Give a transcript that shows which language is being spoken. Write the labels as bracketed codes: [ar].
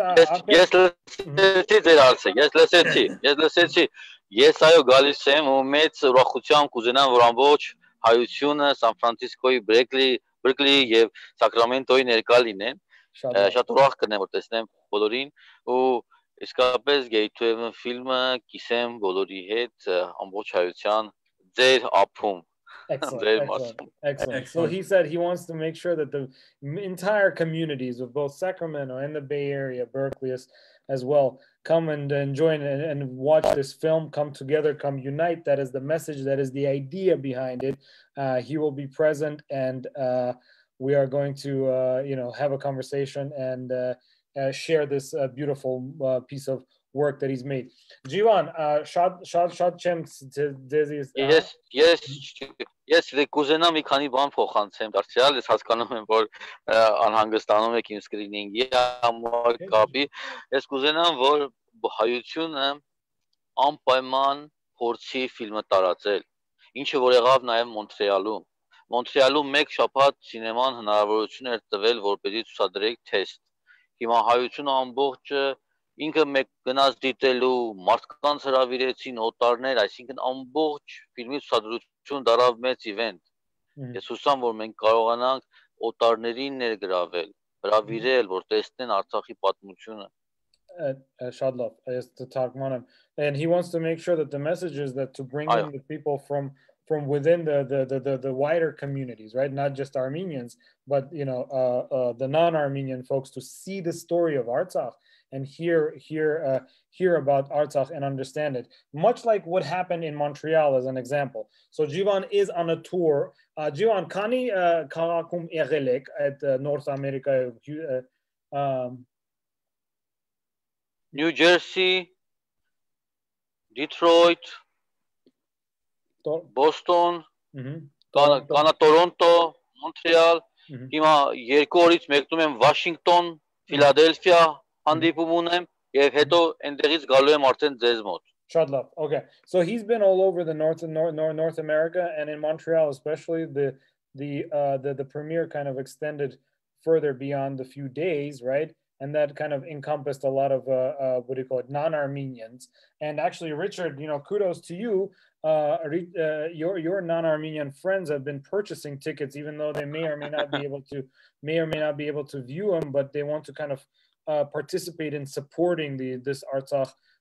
[hy] արդեն Ես լսեցի ձեր արձակ, ես լսեցի։ Ես այո գալիս եմ ու մեծ ուրախությամբ կուզենամ, որ ամբողջ հայությունը Սան Ֆրանցիսկոյի, Բերկլիի եւ Սակրամենտոյի ներկա լինեն։ Շատ ուրախ կնեմ, որ տեսնեմ բոլորին ու իսկապես Gateway-ի ֆիլմը կիսեմ բոլորի հետ ամբողջ հայության ձեր ափում։ [en] Excellent. So he said he wants to make sure that the entire communities of both Sacramento and the Bay Area, Berkeley as well, come and join and watch this film, come together, come unite. That is the message. That is the idea behind it. He will be present, and we are going to, have a conversation and share this beautiful piece of work that he's made. [hy] Jivan, շատ չեմ ձեզ ես Ես դեկուզենա մի քանի բան փոխանցեմ դարձյալ, ես հասկանում եմ, որ անհանգստանում եք ինձ սկրինինգի համար կապի։ Ես կուզենամ, որ հայությունը անպայման փորձի ֆիլմը տարածել, ինչը որ եղավ նաև Մոնտրեալում։ Մոնտրեալում մեկ շաբաթ սինեման հնարավորություն էր տվել, որպեսզի ցուցադրեք թեստ։ Հիմա հայությունը ամբողջը ինքը մեկ գնաց դիտելու, մարդկանց հրավիրեցին օտարներ, այսինքն ամբողջ ֆիլմի ցուցադրություն դարավ մեծ իվենտ։ Ես հուսամ, որ մենք կարողանանք օտարներին ներգրավել, հրավիրել, որ տեսնեն Արցախի պատմությունը։ Շատ լավ, ես թարգմանեմ։ [en] And he wants to make sure that the message is that to bring in the people from within the wider communities, right? Not just Armenians, but the non-Armenian folks to see the story of Artsakh and hear about Artsakh and understand it, much like what happened in Montreal as an example. So Jivan is on a tour. Jivan, [hy] kani karakum egelek at [en] North America? [hy] New Jersey, Detroit, Boston, Toronto, Montreal, հիմա երկու օրից մեկնում եմ Washington, Philadelphia, հանդիպում ունեմ եւ հետո այնտեղից գալու եմ արդեն ձեզ մոտ։ Շատ լավ. [en] Okay. So he's been all over the North and North America and in Montreal especially the premiere kind of extended further beyond the few days, right? And that kind of encompassed a lot of non-Armenians. And actually, Richard, kudos to you. Your non-Armenian friends have been purchasing tickets, even though they may or may not be able to view them, but they want to kind of participate in supporting this Artsakh